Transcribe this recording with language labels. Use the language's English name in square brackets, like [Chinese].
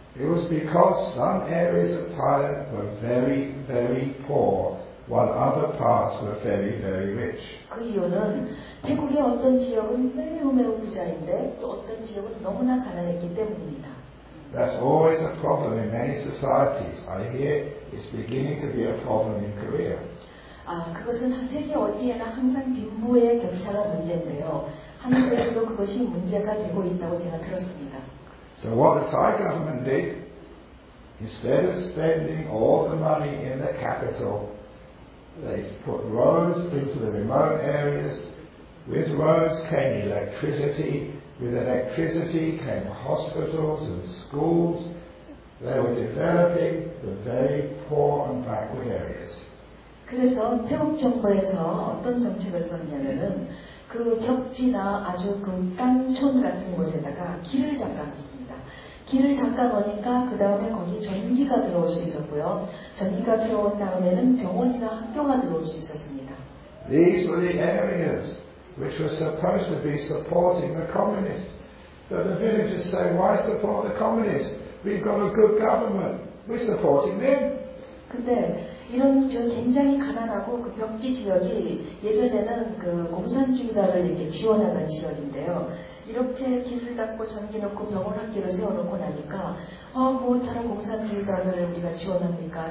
[English] It was because some areas of Thailand were very, very poor, while other parts were very, very rich. [Korean] 그이유는태국의어떤지역은매우매우부자인데또어떤지역은너무나가난했기때문입니다 [English] That's always a problem in many societies. I hear it's beginning to be a problem in Korea. [Korean] 아, 그것은 세계 어디에나 항상 빈부의 격차가 문제인데요. 한국에서도 그것이 문제가 되고 있다고 제가 들었습니다. [English] So what the Thai government did, instead of spending all the money in the capital, they put roads into the remote areas. With roads came electricity. With electricity came hospitals and schools. They were developing the very poor and backward areas. [Korean] 그래서 태국 정부에서 어떤 정책을 썼냐면은 그 격지나 아주 그 깡촌 같은 곳에다가 길을 닦아놨습니다. 길을 닦아놓으니까 그 다음에 거기 전기가 들어올 수 있었고요. 전기가 들어온 다음에는 병원이나 학교가 들어올 수 있었습니다. [English] These were the areas which were supposed to be supporting the communists. But the villagers say, why support the communists? We've got a good government. We're supporting them. [Korean] 근데 이런 저 굉장히 가난하고 그 벽지 지역이 예전에는 그 공산주의자를 이렇게 지원하던 지역인데요. 이렇게 길을 닦고 전기 넣고 병원 학교를 세워놓고 나니까 뭐 다른 공산주의자들을 우리가 지원합니까?